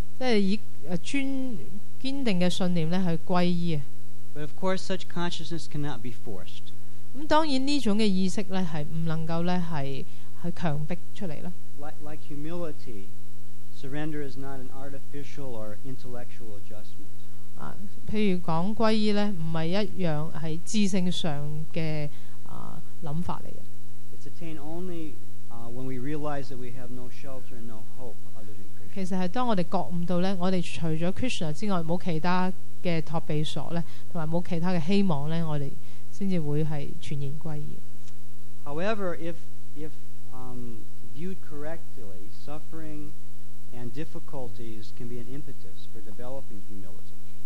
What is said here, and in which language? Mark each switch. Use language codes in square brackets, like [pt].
[yue] 即係以堅定嘅信念咧去皈依。 [en] But of course, such consciousness cannot be forced. [yue] 咁當然呢種嘅意識咧係唔能夠咧係強迫出嚟啦。 [en] Like humility. Surrender is not an artificial or intellectual adjustment. [yue] 譬如講皈依咧，唔係一樣係智性上嘅諗法嚟嘅。 [en] It's attained only when we realize that we have no shelter and no hope other than Krishna. [yue] 其實係當我哋覺悟到咧，我哋除咗 Krishna 之外冇其他嘅托庇所咧，同埋冇其他嘅希望咧，我哋先至會係全然皈依。 [en] However, if viewed correctly, suffering and difficulties can be an impetus for developing humility.